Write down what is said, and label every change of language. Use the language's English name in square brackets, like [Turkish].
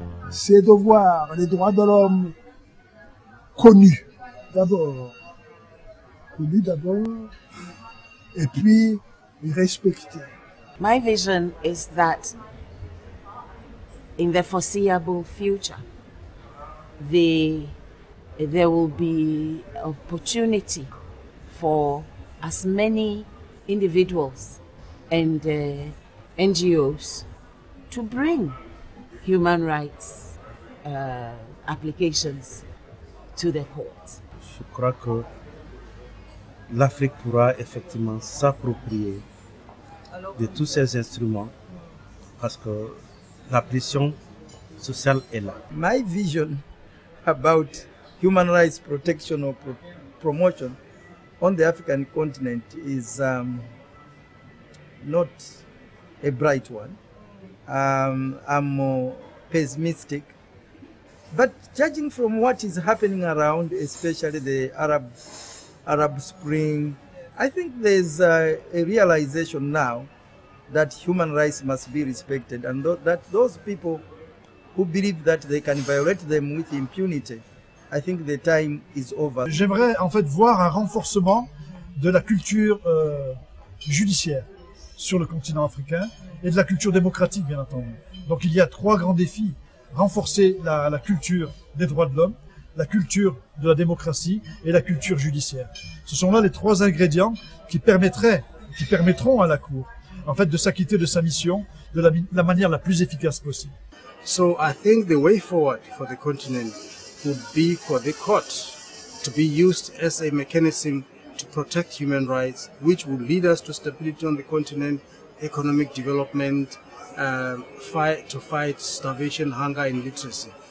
[French] Ses devoirs, les droits de l'homme connus d'abord, et puis respectés. [English] My vision is that in the foreseeable future, there will be opportunity for as many individuals and NGOs to bring human rights applications to the court. [French] Je crois que l'Afrique pourra effectivement s'approprier de tous ces instruments parce que la pression sociale est là. [English] My vision about human rights protection or promotion on the African continent is not a bright one. I'm pessimistic. But judging from what is happening around, especially the Arab Spring, I think there's a realization now that human rights must be respected, and that those people who believe that they can violate them with impunity, I think the time is over. [French] J'aimerais en fait voir un renforcement de la culture judiciaire sur le continent africain et de la culture démocratique, bien entendu. Donc il y a trois grands défis. Renforcer la culture des droits de l'homme, la culture de la démocratie et la culture judiciaire. Ce sont là les trois ingrédients qui permettront à la Cour en fait, de s'acquitter de sa mission de la manière la plus efficace possible. [English] So I think the way forward for the continent would be for the court to be used as a mechanism to protect human rights, which would lead us to stability on the continent, economic development, to fight starvation, hunger, and illiteracy.